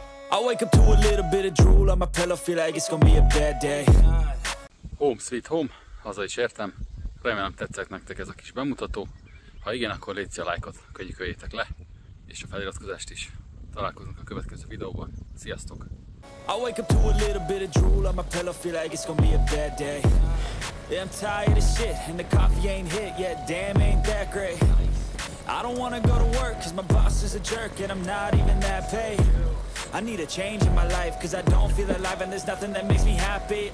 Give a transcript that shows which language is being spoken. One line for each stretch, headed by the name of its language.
English: I wake up to a little bit of drool on my pillow, feel like it's gonna be a bad day. Home sweet home,
Hungarian: haza is értem. Remélem tetszett nektek ez a kis bemutató. Ha igen, akkor légy a lájkot, kölyítsétek le, és a feliratkozást is. Találkozunk a következő videóban. Sziasztok!
English: I wake up to a little bit of drool on my pillow, feel like it's gonna be a bad day. I'm tired of shit and the coffee ain't hit yet, damn ain't that great. I don't wanna go to work cause my boss is a jerk and I'm not even that paid. I need a change in my life cause I don't feel alive and there's nothing that makes me happy.